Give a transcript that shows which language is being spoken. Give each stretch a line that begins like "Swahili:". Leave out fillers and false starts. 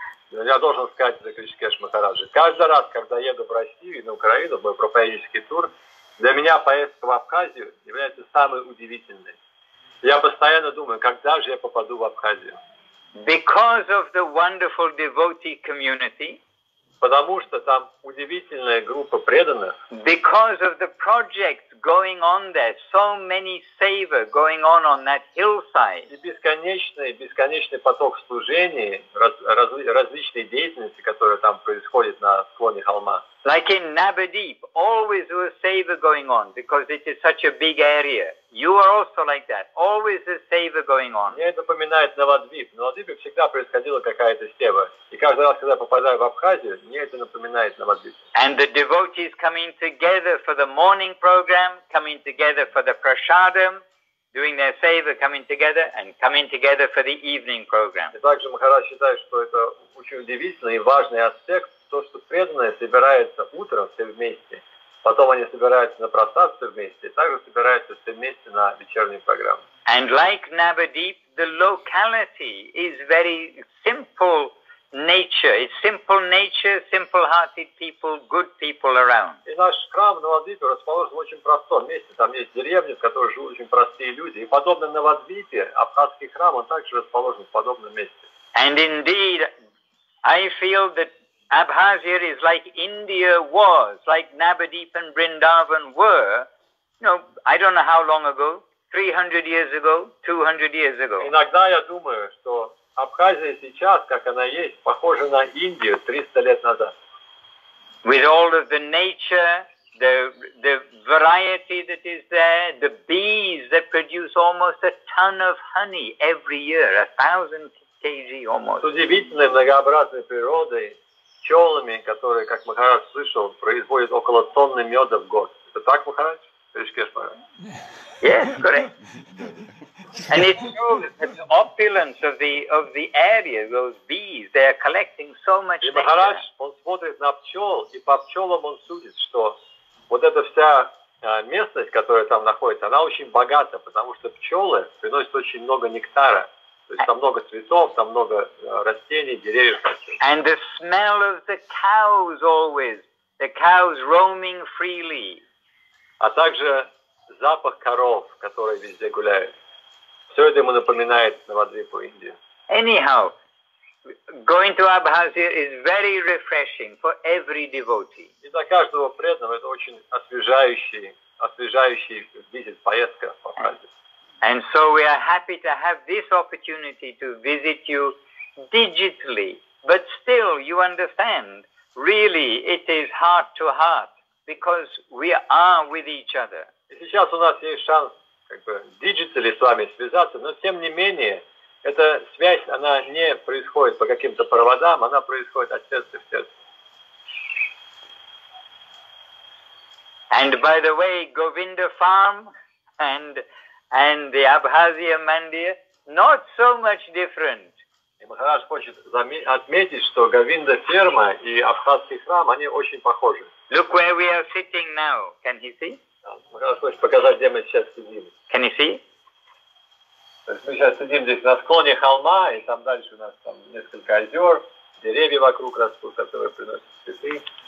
Russian: Я должен сказать за Хришикеш Махараджа. Каждый раз, когда еду в Россию и на Украину, мой проповеднический тур, для меня поездка в Абхазию является самой удивительной. Я постоянно думаю, когда же я попаду в Абхазию.
English: Because of the wonderful devotee community.
Russian: Потому что там удивительная группа преданных.
English: Because of the projects going on there, so many seva going on that hillside.
Russian: И бесконечный поток служений, различные деятельности, которые там происходят на склоне холма.
English: Like in Nabadeep, always there was seva going on because it is such a big area. You are also like that. Always a seva going on.
Russian: Мне это напоминает Навадвип. На Навадвипе всегда происходила какая-то сева. И каждый раз, когда я попадаю в Абхазию, мне это напоминает Навадвип.
English: And the devotees coming together for the morning program, coming together for the prasadam, doing their seva, coming together, and coming together for the evening program.
Russian: И также Махарадж считает, что это очень удивительный и важный аспект, то, что преданные собираются утром все вместе. Потом они собираются на просад все вместе, также собираются все вместе на вечерние программы.
English: And like Navadeep, the locality is very simple nature. It's simple nature, simple-hearted people, good people around.
Russian: И наш храм в Навадвипе расположен в очень простом месте. Там есть деревни, в которой живут очень простые люди. И подобно Навадвипе, абхазский храм, он также расположен в подобном месте.
English: And indeed, I feel that Abhazya is like India was, like Navadvip and Vrindavan were, you know, I don't know how long ago, 300 years ago, 200 years ago.
Russian: Иногда я думаю, что Абхазия сейчас, как она есть, похожа на Индию 300 лет назад. With all of the nature, the variety that is there, the bees that produce almost a ton of honey every year, 1,000 kg almost. С удивительной многообразной природой, пчелами, которые, как Махарадж слышал, производят около тонны меда в год. Это так, Махарадж? Хришикеш Махарадж?
English: Yes, correct. And it's true that the opulence of the area, those bees, they are collecting so much.
Russian: И Махарадж, он смотрит на пчел, и по пчелам он судит, что вот эта вся местность, которая там находится, она очень богата, потому что пчелы приносят очень много нектара. То есть там много цветов, там много растений, деревьев.
English: And the smell of the cows always, the cows roaming freely.
Russian: А также запах коров, которые везде гуляют. Все это ему напоминает Навадвипу, Индию.
English: Anyhow, going to Abhazia is very refreshing for every devotee.
Russian: И для каждого преданного это очень освежающий визит, поездка по Абхазии.
English: And so we are happy to have this opportunity to visit you digitally. But still, you understand, really, it is heart to heart, because we are with each other.
Russian: И сейчас у нас есть шанс, digitally с вами связаться, но тем не менее, эта связь, она не происходит по каким-то проводам, она происходит от сердца к сердцу.
English: And by the way, Govinda Farm and the Abhazia Mandir, not so much different.
Russian: И Махарадж хочет отметить, что Говинда ферма и Абхазский храм, они очень похожи.
English: Look where we are sitting now. Can he see?
Russian: Махарадж хочет показать, где мы сейчас сидим.
English: Can you see?
Russian: Мы сейчас сидим здесь на склоне холма, и там дальше у нас там несколько озер, деревья вокруг растут, которые приносят цветы.